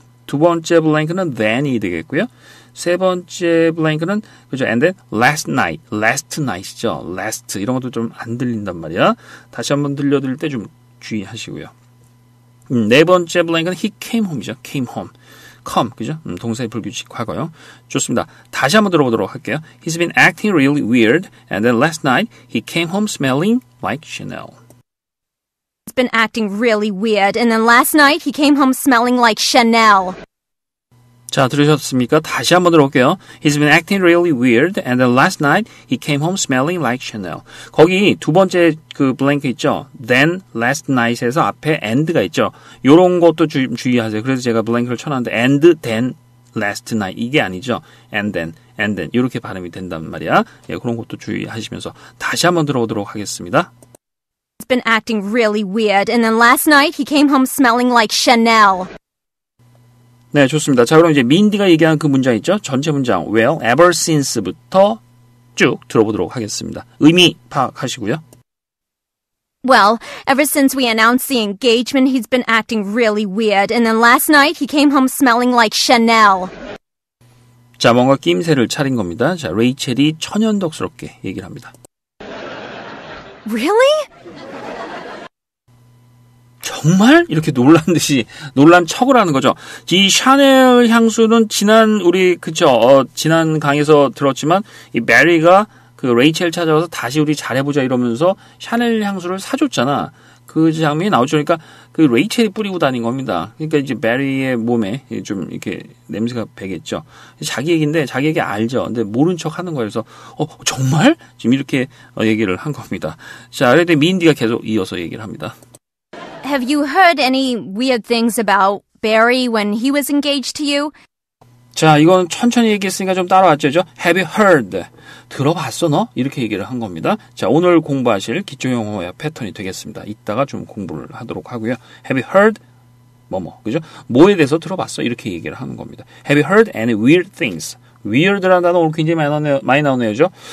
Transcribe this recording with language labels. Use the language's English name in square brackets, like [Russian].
[Korean] 두 번째 블랭크는 then이 되겠고요. 세 번째 블랭크는 그죠? [English] And then last night, last night [Korean] 이죠. Last 이런 것도 좀 안 들린단 말이야. 다시 한번 들려드릴 때 좀 주의하시고요. 네 번째 블랭크는 [English] he came home [Korean] 이죠. Came home, come 그죠? 동사의 불규칙 과거요. 좋습니다. 다시 한번 들어보도록 할게요. [English] He's been acting really weird, and then last night he came home smelling like Chanel. He's been acting really weird, and then last night he came home smelling like Chanel. [Korean] 자, 들으셨습니까? 다시 한번 들어볼게요. He's been acting really weird, and then last night he came home smelling like Chanel. 거기 두 번째 그 블랭크 있죠? Then last night에서 앞에 and가 있죠? 요런 것도 주의하세요. 그래서 제가 블랭크를 쳐놨는데 [English] and then last night [Korean] 이게 아니죠? And then 이렇게 발음이 된단 말이야. 예, 그런 것도 주의하시면서 다시 한번 들어보도록 하겠습니다. [English] He's been acting really weird, and then last night he came home smelling like Chanel. [Korean] 네, 좋습니다. 자, 그럼 이제 민디가 얘기한 그 문장 있죠? 전체 문장, well, ever since부터 쭉 들어보도록 하겠습니다. 의미 파악하시고요. [English] Well, ever since we announced the engagement, he's been acting really weird. And then last night, he came home smelling like Chanel. [Korean] 자, 뭔가 낌새를 차린 겁니다. 자, 레이첼이 천연덕스럽게 얘기를 합니다. [English] Really? [Korean] 정말? 이렇게 놀란 듯이 놀란 척을 하는 거죠. 이 샤넬 향수는 지난 우리 그쵸 지난 강의에서 들었지만 이 메리가 그 레이첼 찾아와서 다시 우리 잘해보자 이러면서 샤넬 향수를 사줬잖아. 그 장면이 나오죠. 그러니까 그 레이첼이 뿌리고 다닌 겁니다. 그러니까 이제 메리의 몸에 좀 이렇게 냄새가 배겠죠. 자기 얘기인데 자기 얘기 알죠. 근데 모른 척 하는 거여서 정말? 지금 이렇게 얘기를 한 겁니다. 자, 그런데 민디가 계속 이어서 얘기를 합니다. [English] Have you heard any weird things about Barry when he was engaged to you? [Korean] 자, 이건 천천히 얘기했으니까 좀 따라왔죠. [English] Have you heard? [Korean] 들어봤어, 너? 이렇게 얘기를 한 겁니다. 자, 오늘 공부하실 기초영어의 패턴이 되겠습니다. 이따가 좀 공부를 하도록 하고요. [English] Have you heard? [Korean] 뭐뭐, 그죠? 뭐에 대해서 들어봤어? 이렇게 얘기를 하는 겁니다. [English] Have you heard any weird things? [Korean] Weird라는 단어 오늘 굉장히 많이 나오네요, 그죠?